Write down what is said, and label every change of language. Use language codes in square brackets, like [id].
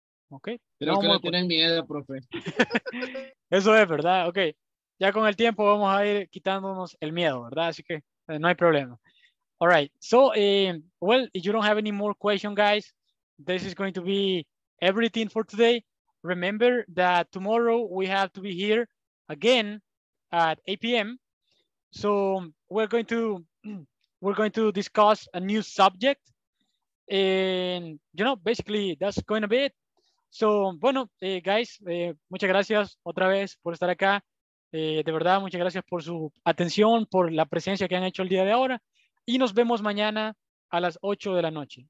[en] Okay. [es] Creo que le tienen miedo, profe. Eso es, ¿verdad? Ok. Ya con el tiempo vamos a ir quitándonos el miedo, ¿verdad? Así que no hay problema. [en] All right. So, well, if you don't have any more questions, guys, this is going to be everything for today. Remember that tomorrow we have to be here again at 8 p.m. So we're going to discuss a new subject. And, you know, basically that's going to be it. [es] So, bueno, guys, muchas gracias otra vez por estar acá. De verdad, muchas gracias por su atención, por la presencia que han hecho el día de ahora. Y nos vemos mañana a las 8 de la noche.